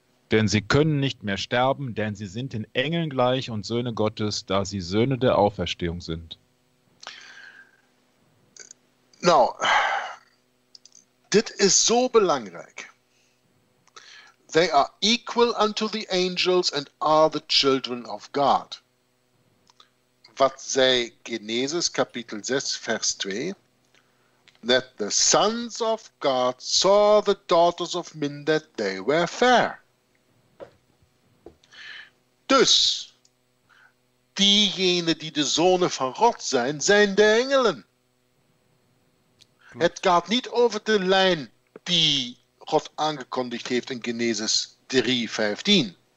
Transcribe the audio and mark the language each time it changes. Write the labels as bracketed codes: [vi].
[de] Denn sie können nicht mehr sterben, denn sie sind den Engeln gleich und Söhne Gottes, da sie Söhne der Auferstehung sind. [nl] Nou, dit is so belangrijk. [en] They are equal unto the angels and are the children of God. [nl] Wat zei Genesis Kapitel 6, Vers 2? [en] That the sons of God saw the daughters of men that they were fair. [nl] Dus, diegenen die de zonen van God zijn, zijn de engelen. Het gaat niet over de lijn die God aangekondigd heeft in Genesis 3, 15.